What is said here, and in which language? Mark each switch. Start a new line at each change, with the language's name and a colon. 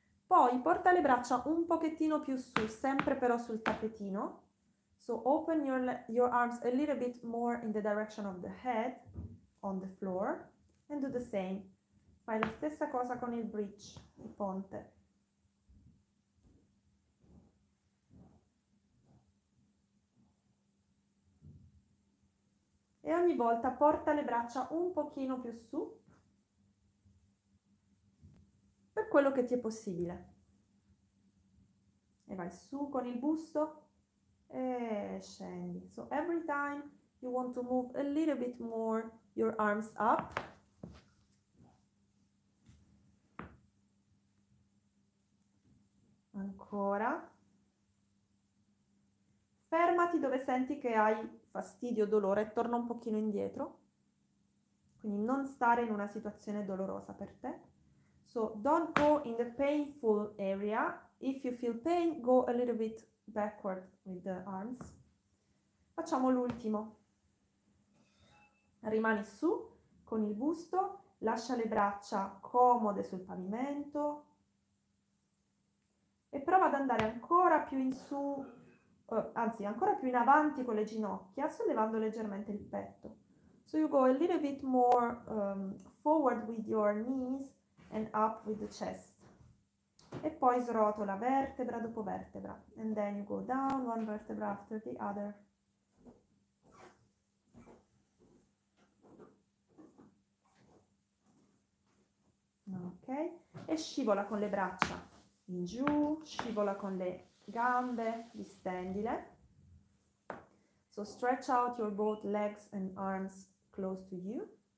Italian: Poi porta le braccia un pochettino più su, sempre però sul tappetino.
English: So open your arms a little bit more in the direction of the head on the floor and do the same.
Italian: Fai la stessa cosa con il bridge, il ponte. E ogni volta porta le braccia un pochino più su per quello che ti è possibile. E vai su con il busto e scendi.
English: So every time you want to move a little bit more your arms up.
Italian: Ancora. Fermati dove senti che hai fastidio, dolore, torna un pochino indietro. Quindi non stare in una situazione dolorosa per te.
English: So, don't go in the painful area. If you feel pain, go a little bit backward with the arms.
Italian: Facciamo l'ultimo. Rimani su con il busto, lascia le braccia comode sul pavimento e prova ad andare ancora più in su. Anzi, ancora più in avanti con le ginocchia, sollevando leggermente il petto.
English: So you go a little bit more forward with your knees and up with the chest.
Italian: E poi srotola vertebra dopo vertebra.
English: And then you go down one vertebra after the other.
Italian: Ok, e scivola con le braccia in giù, scivola con le gambe, distendile.
English: So stretch out your both legs and arms close to you.